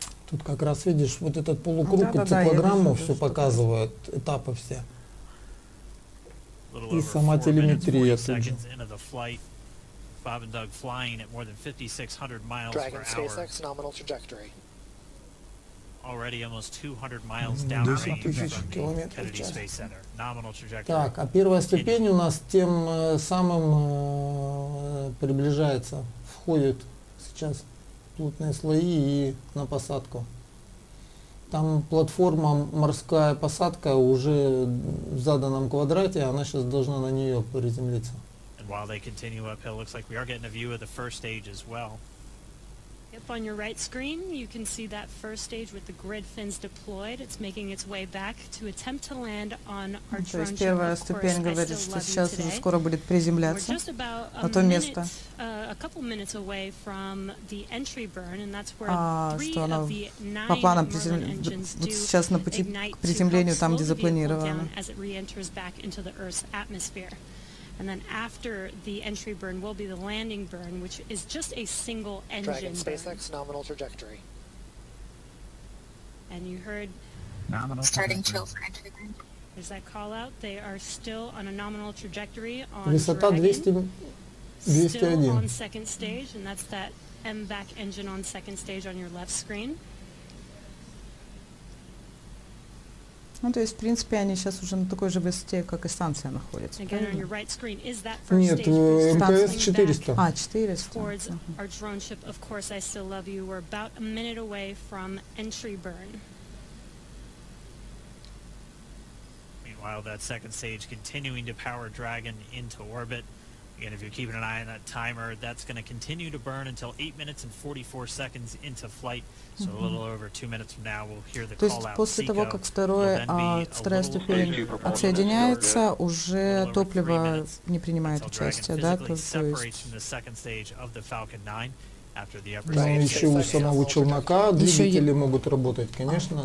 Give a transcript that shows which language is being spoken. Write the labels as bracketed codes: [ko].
[ru] Тут как раз видишь, вот этот полукруг, да, циклограмму, да, все показывает, этапы все. И сама телеметрия тут. [en] Bob and Doug flying at more than 5600 miles Dragon per SpaceX, Dragon SpaceX nominal trajectory. Already almost 200 miles downrange from the Kennedy Space Center. Nominal trajectory. [ru] Так, а первая ступень у нас тем самым приближается, входит сейчас. Плотные слои и на посадку. Там платформа морская посадка уже в заданном квадрате, она сейчас должна на нее приземлиться. [en] And while they continue uphill, looks like we are getting a view of the first stage as well. Yep, on your right screen, you can see that first stage with the grid fins deployed. It's making its way back to attempt to land on our drone ship. [ru] То есть первая ступень говорит, что сейчас уже скоро будет приземляться на то место. [en] A couple minutes away from the entry burn, and that's where three of the nine engines [ru] сейчас на пути к приземлению, там, где запланировано. [en] As it re-enters back into the Earth's atmosphere. And then after the entry burn will be the landing burn, which is just a single engine Dragon SpaceX nominal trajectory. And you heard nominal starting chill for entry burn. Is that call out? They are still on a nominal trajectory on [ru] Высота [en] Dragon. 201. Still on second stage, and that's that MVAC engine on second stage on your left screen. [ru] Ну, то есть, в принципе, они сейчас уже на такой же высоте, как и станция находится. [en] Right screen, [ru] нет, МКС 400. А, 400. [en] Droneship, of course, I still love you. We're about a minute away from entry burn. Meanwhile, that second stage continuing to power Dragon into orbit. Again, if you're keeping an eye on that timer, that's going to continue to burn until 8 minutes and 44 seconds into flight. So a little over 2 minutes from now, we'll hear the call out. [ru] То есть после того, как вторая ступень отсоединяется, уже топливо не принимает участие, да? То есть... Да, еще у самого челнока двигатели могут работать, конечно.